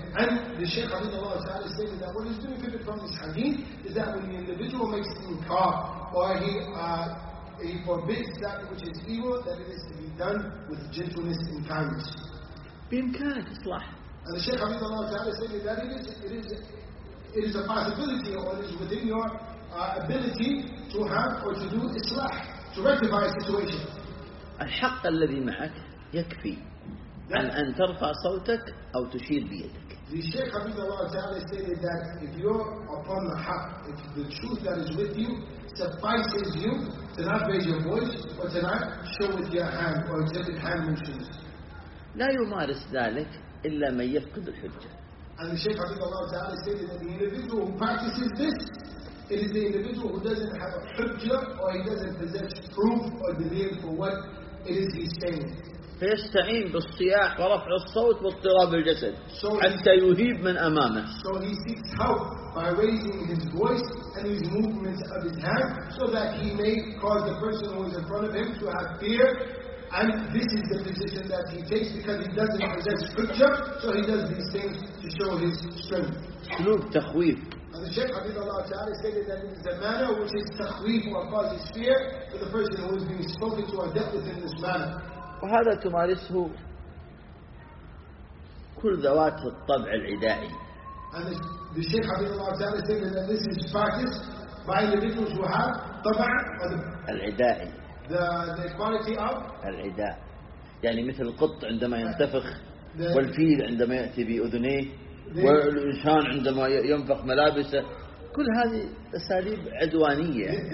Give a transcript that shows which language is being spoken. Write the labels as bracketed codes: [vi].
[en] And the Shaykh Habibullah Ta'ala stated that what is benefited from this hadith is that when the individual makes inkar, or he forbids that which is evil, that it is to be done with gentleness and kindness. [ar] بإمكانك إصلاح. [en] And the Shaykh Habibullah Ta'ala stated that it is a possibility, or it is within your ability to have or to do إصلاح, to rectify a situation. [ar] الحق الذي معك يكفي عن أن ترفع صوتك أو تشير بيدك. [en] The Shaykh Habibullah Ta'ala stated that if you're upon the haq, if the truth that is with you suffices you to not raise your voice or to not show with your hand or exhibit hand motions. [ar] لا يمارس ذلك إلا من يفقد الحجة. [en] And the Shaykh Habibullah Ta'ala stated that the individual who practices this, it is the individual who doesn't have a hujjah, or he doesn't possess proof or demand for what it is he's saying. [ar] فيستعين بالصياح ورفع الصوت واضطراب الجسد حتى يهيب من أمامه. [en] So he seeks help by raising his voice and his movements of his hand, so that he may cause the person who is in front of him to have fear. And this is the position that he takes because he doesn't possess hujjah, so he does these things to show his strength. [ar] سلوك تخويف. [en] And the Shaykh Habibullah Ta'ala stated that it is a manner which is takhweef or causes fear for the person who is being spoken to or dealt with in this manner. [ar] وهذا تمارسه كل ذوات الطبع العدائي. [en] And the Shaykh Habibullah Ta'ala stated that this is practiced by individuals who have طبع [ar] العدائي. [en] the quality of [ar] العداء. يعني مثل القط عندما ينتفخ والفيل عندما يأتي بأذنيه والإنسان عندما ينفخ ملابسه, كل هذه أساليب عدوانية.